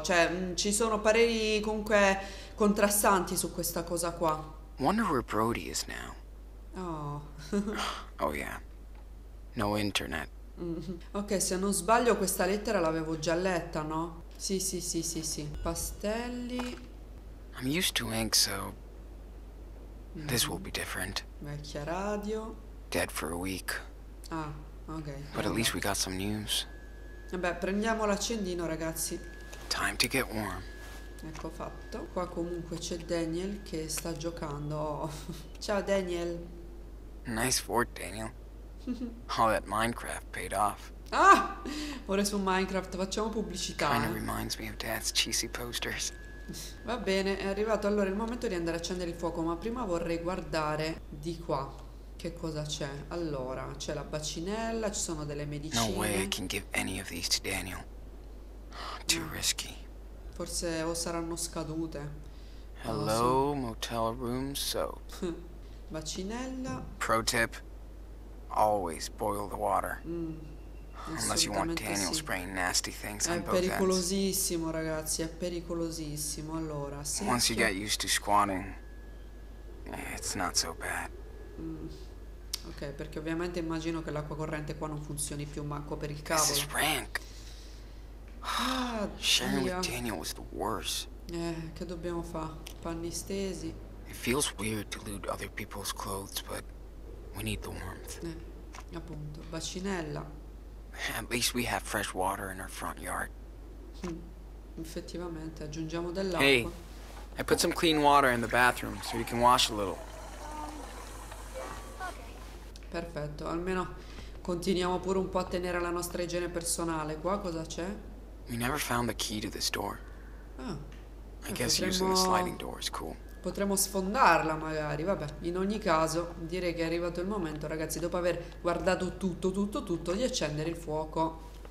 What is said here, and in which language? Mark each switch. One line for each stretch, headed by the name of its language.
Italian: Cioè, ci sono pareri, comunque, contrastanti su questa cosa qua.
English: Wonder where Brody is now. Oh. Oh, yeah. No internet.
Italian: Ok, se non sbaglio questa lettera l'avevo già letta, no? Sì. Pastelli.
English: I'm used to ink, so this will be different.
Italian: Vecchia radio.
English: Dead for a week.
Italian: Ah, ok.
English: But at least we got some news.
Italian: Vabbè, prendiamo l'accendino, ragazzi.
English: Time to get warm.
Italian: Ecco fatto. Qua comunque c'è Daniel che sta giocando. Oh. Ciao Daniel.
English: Nice fort, Daniel. All that Minecraft paid off.
Italian: Ah! Ora su Minecraft facciamo pubblicità.
English: Kinda reminds me of Dad's cheesy posters.
Italian: Va bene, è arrivato allora il momento di andare a accendere il fuoco, ma prima vorrei guardare di qua che cosa c'è. Allora, c'è la bacinella, ci sono delle medicine.
English: No way I can give any of these to Daniel. Too risky.
Italian: Forse o saranno scadute.
English: Hello, motel room soap.
Italian: Bacinella.
English: Pro tip. Always boil the water. Unless you want Daniel spraying nasty things on both ends.
Italian: È pericolosissimo, ragazzi, è pericolosissimo. Allora, sì.
English: Once you get used to squatting, it's not so bad.
Italian: Ok, perché ovviamente immagino che l'acqua corrente qua non funzioni più manco per il cavolo.
English: This is rank. Sharing with Daniel was the worst.
Italian: Che dobbiamo fa? Panni stesi.
English: It feels weird to loot other people's clothes, but we need the warmth.
Italian: Appunto, bacinella.
English: At least we have fresh water in our front yard.
Italian: Effettivamente, aggiungiamo dell'acqua.
English: Hey, I put some clean water in the bathroom so you can wash a little.
Italian: Perfetto, almeno continuiamo pure un po' a tenere la nostra igiene personale. Qua cosa c'è?
English: We never found the key to this door. Ah. I guess using the sliding door is cool.
Italian: Potremmo sfondarla magari, vabbè. In ogni caso, direi che è arrivato il momento, ragazzi, dopo aver guardato tutto, di accendere il fuoco.